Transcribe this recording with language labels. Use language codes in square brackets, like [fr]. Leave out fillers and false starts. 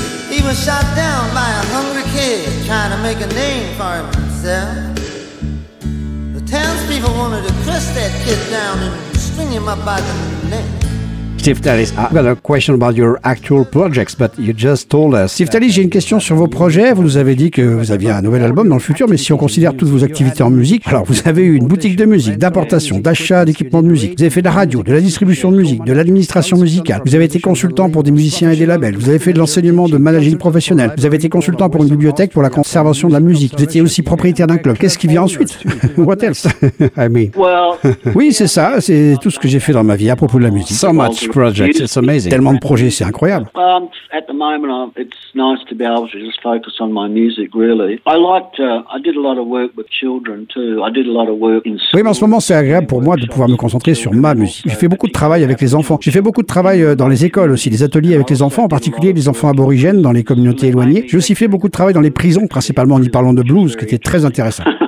[en] He was shot down by a hungry kid trying to make a name for himself. The townspeople wanted to crush that kid down and string him up by the neck. Steve Tallis, I've got a question about your actual projects, but you just told us. [fr] Steve Tallis, j'ai une question sur vos projets. Vous nous avez dit que vous aviez un nouvel album dans le futur, mais si on considère toutes vos activités en musique, alors vous avez eu une boutique de musique, d'importation, d'achat d'équipement de musique. Vous avez fait de la radio, de la distribution de musique, de l'administration musicale. Vous avez été consultant pour des musiciens et des labels. Vous avez fait de l'enseignement de managing professionnel. Vous avez été consultant pour une bibliothèque pour la conservation de la musique. Vous étiez aussi propriétaire d'un club. Qu'est-ce qui vient ensuite? [en] What else? I mean. [fr] Oui, c'est ça. C'est tout ce que j'ai fait dans ma vie à propos de la musique. [en] So much. Projects, it's amazing. [fr] Tellement de projets, c'est incroyable. [en] At the moment, it's nice to be able to just focus on my music, really. I did a lot of work with children too. I did a lot of work in school. [fr] Oui, mais en ce moment, c'est agréable pour moi de pouvoir me concentrer sur ma musique. J'ai fait beaucoup de travail avec les enfants. J'ai fait beaucoup de travail dans les écoles aussi, des ateliers avec les enfants, en particulier les enfants aborigènes dans les communautés éloignées. J'ai aussi fait beaucoup de travail dans les prisons, principalement en y parlant de blues, qui était très intéressant.